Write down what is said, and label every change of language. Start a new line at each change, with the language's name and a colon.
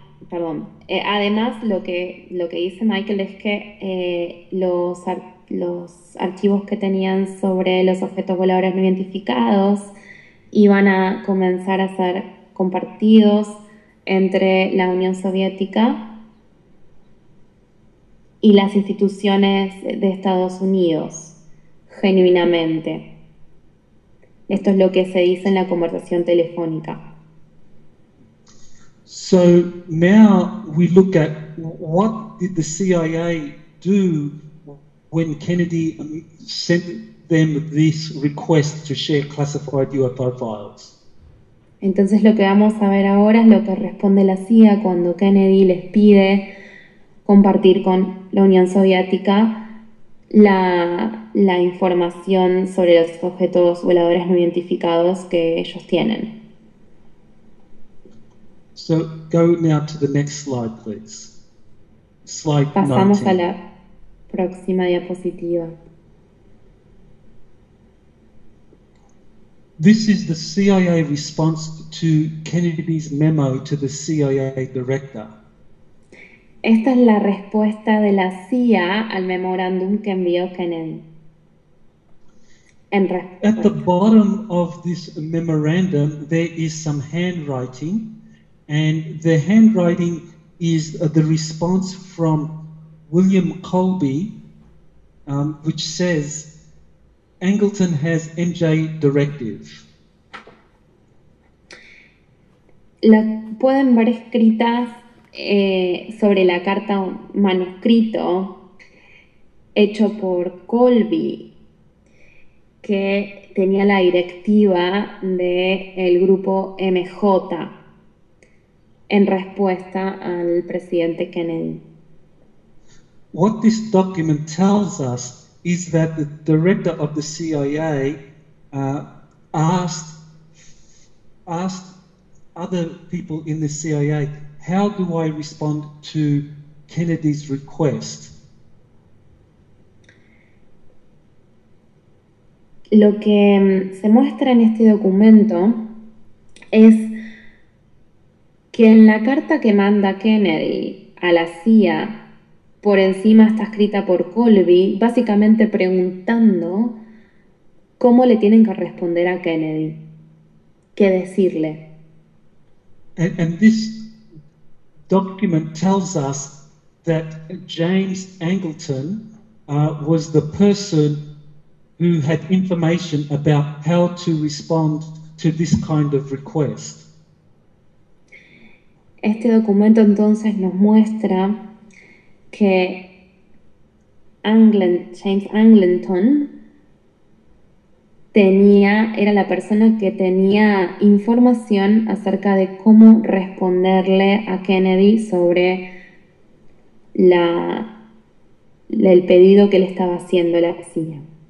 Spanish: Además, lo que dice Michael es que los archivos que tenían sobre los objetos voladores no identificados iban a comenzar a ser compartidos entre la Unión Soviética y las instituciones de Estados Unidos, genuinamente. Esto es lo que se dice en la conversación telefónica.
English: So now we look at what did the CIA do when Kennedy sent them this request to share classified UFO files.
Spanish: Entonces lo que vamos a ver ahora es lo que responde la CIA cuando Kennedy les pide compartir con la Unión Soviética la información sobre los objetos voladores no identificados que ellos tienen.
English: So go now to the next slide, please. Slide
Spanish: 19. Pasamos a la próxima diapositiva.
English: This is the CIA response to Kennedy's memo to the CIA director.
Spanish: Esta es la respuesta de la CIA al memorándum que envió Kennedy.
English: At the bottom of this memorandum, there is some handwriting. And the handwriting is the response from William Colby, which says, Angleton has MJ directive.
Spanish: La pueden ver escrita sobre la carta manuscrito hecho por Colby, que tenía la directiva del grupo MJ. En respuesta al presidente Kennedy.
English: What this document tells us is that the director of the CIA asked other people in the CIA, how do I respond to Kennedy's request?
Spanish: Lo que se muestra en este documento es que en la carta que manda Kennedy a la CIA, por encima está escrita por Colby, básicamente preguntando cómo le tienen que responder a Kennedy, qué decirle.
English: And this document tells us that James Angleton was the person who had information about how to respond to this kind of request.
Spanish: Este documento entonces nos muestra que James Angleton era la persona que tenía información acerca de cómo responderle a Kennedy sobre el pedido que le estaba haciendo la CIA.